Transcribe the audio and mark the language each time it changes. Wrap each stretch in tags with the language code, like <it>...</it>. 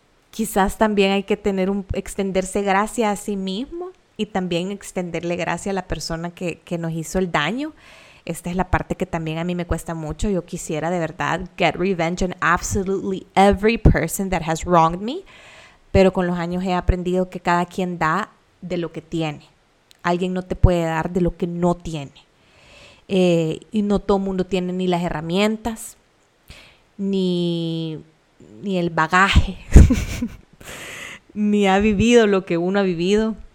<es>quizás también hay que extenderse gracia a sí mismo y también extenderle gracia a la persona que nos hizo el daño. Esta es la parte que también a mí me cuesta mucho. Yo quisiera de verdad</es> <en>get revenge on absolutely every person that has wronged me.</en> <es>Pero con los años he aprendido que cada quien da de lo que tiene. Alguien no te puede dar de lo que no tiene. Y no todo mundo tiene ni las herramientas, ni el bagaje, ni ha vivido lo que uno ha vivido.</es>